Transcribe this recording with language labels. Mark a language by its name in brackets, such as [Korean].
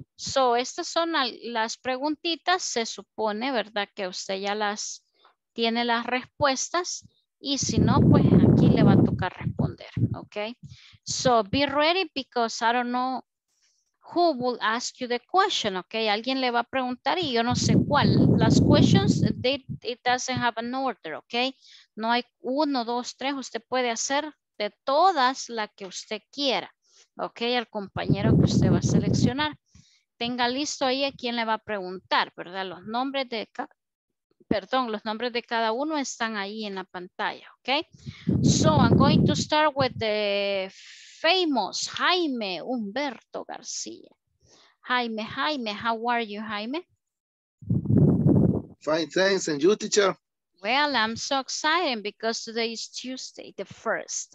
[Spanish] So, estas son las preguntitas, se supone, ¿verdad? Que usted ya las tiene las respuestas y si no, pues aquí le va a tocar responder, ¿okay? [English] So, be ready because I don't know who will ask you the question, ¿okay? [Spanish] Alguien le va a preguntar y yo no sé cuál. Las questions, [English] it doesn't have an order, [Spanish] ¿okay? No hay uno, dos, tres, usted puede hacer de todas la que usted quiera. Ok, al compañero que usted va a seleccionar. Tenga listo ahí a quién le va a preguntar, ¿verdad? Los nombres de cada uno están ahí en la pantalla, ¿ok? [English] So, I'm going to start with the famous Jaime Humberto García. Jaime, how are you, Jaime? Fine, thanks, and you, teacher? Well, I'm so excited because today is Tuesday, the first.